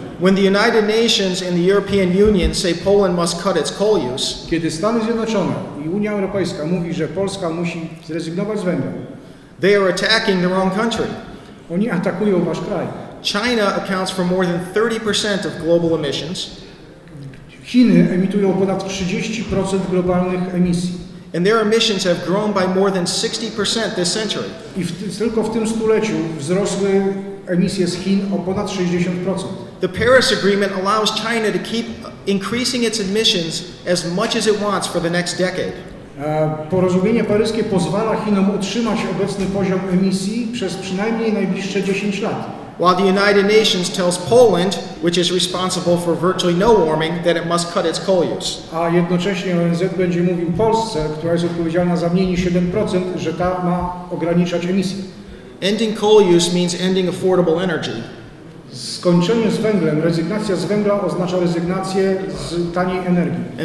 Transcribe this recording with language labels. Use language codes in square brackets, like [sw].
[en] When the United Nations and the European Union say Poland must cut its coal use, [pl] kiedy Stany Zjednoczone i Unia Europejska mówi, że Polska musi zrezygnować z węgla, [en] they are attacking the wrong country. [pl] Oni atakują wasz kraj. [en] China accounts for more than 30% of global emissions. [pl] Chiny emitują ponad 30% globalnych emisji. [en] And their emissions have grown by more than 60% this century. [pl] I tylko w tym stuleciu wzrosły emisje z Chin o ponad 60%. [en] The Paris Agreement allows China to keep increasing its emissions as much as it wants for the next decade. [pl] Porozumienie paryskie pozwala Chinom utrzymać obecny poziom emisji przez przynajmniej najbliższe 10 lat. [en] While the United Nations tells Poland, which is responsible for virtually no warming, that it must cut its coal use. [pl] A jednocześnie ONZ będzie mówił Polsce, która jest odpowiedzialna za mniej niż 7%, że ta ma ograniczać emisję. [en] Ending coal use means ending affordable energy. [pl] Skończenie z węglem, rezygnacja z węgla oznacza rezygnację z taniej energii.